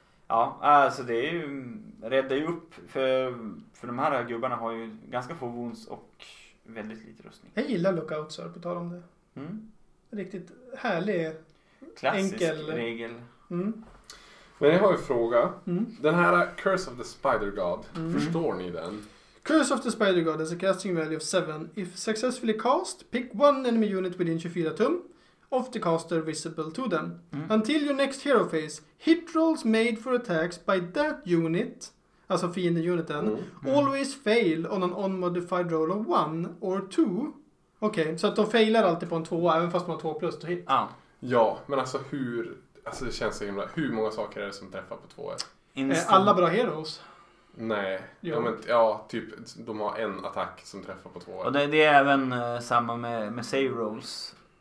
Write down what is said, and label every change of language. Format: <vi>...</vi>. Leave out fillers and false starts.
<sv>Ja, alltså det är ju, räddar ju upp, för de här gubbarna har ju ganska få wounds och väldigt lite rustning. Jag gillar lookouts här, på tal om det. Mm. Riktigt härlig, klassisk enkel regel. Mm. Men jag har ju en fråga. Mm. Den här Curse of the Spider God, förstår ni den?</sv> <en>Curse of the Spider God is a casting value of 7. If successfully cast, pick one enemy unit within 24 tum. Of the caster visible to them. Mm. Until your next hero phase, hit rolls made for attacks by that unit,</en> <sv>alltså fiende uniten,</sv> <en>always fail on an unmodified roll of 1 or 2.</en> <sv>Okej, okay, så att de failar alltid på en 2, även fast man har 2 plus to hit. Ah. Ja, men alltså hur, alltså det känns så himla, hur många saker är det som träffar på 2? Alla bra heroes. Nej, ja, typ de har en attack som träffar på 2. Och det är även samma med save rolls.</sv>